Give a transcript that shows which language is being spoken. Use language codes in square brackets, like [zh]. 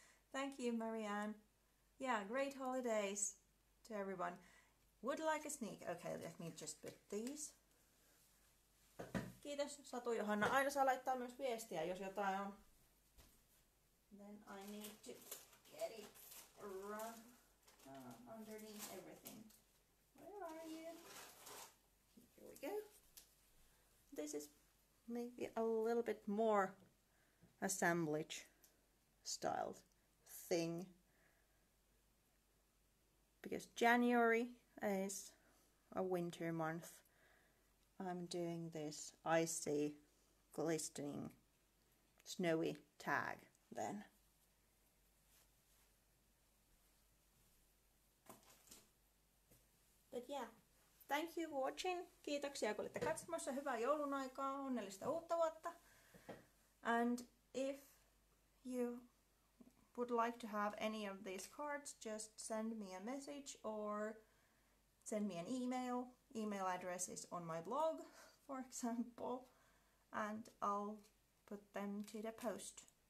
[en] Thank you, Marianne. Yeah, great holidays to everyone. Would like a sneak? Okay, let me just put these. [fi] Kiitos, Satu Johanna. Aina saa laittaa myös viestiä, jos jotain on. [en] Then I need to get it run underneath everything. Where are you? Here we go. This is maybe a little bit more assemblage styled thing. Because January is a winter month. I'm doing this icy, glistening, snowy tag then. But yeah, thank you for watching. [fi] Kiitoksia, kun olitte katsomassa. Hyvää joulun aikaa, onnellista uutta vuotta. [en] And if you would like to have any of these cards, just send me a message or send me an email. Email address is on my blog, for example, and I'll put them to the post.